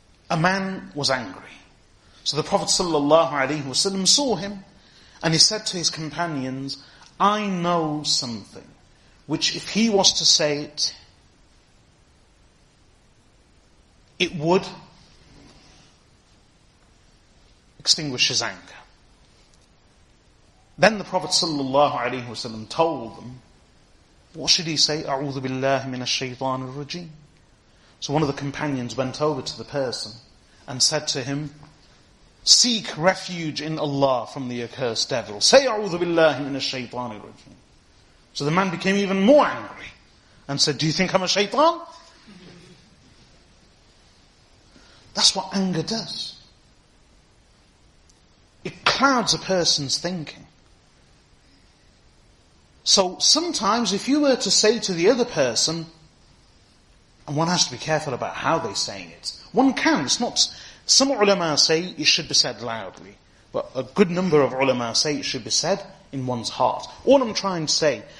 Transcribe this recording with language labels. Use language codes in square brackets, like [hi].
[en] A man was angry. So the Prophet sallallahu alaihi wasallam saw him, and he said to his companions, I know something which if he was to say it, it would extinguish his anger. Then the Prophet sallallahu alaihi wasallam told them, what should he say? [ar] أعوذ بالله من الشيطان الرجيم. [en] So one of the companions went over to the person and said to him, seek refuge in Allah from the accursed devil. Say [ar] أعوذ بالله من الشيطان الرجيم. [en] So the man became even more angry and said, do you think I'm a shaitan? That's what anger does. It clouds a person's thinking. So sometimes if you were to say to the other person, and one has to be careful about how they're saying it, one can, it's not, some ulama say it should be said loudly, but a good number of ulama say it should be said in one's heart. All I'm trying to say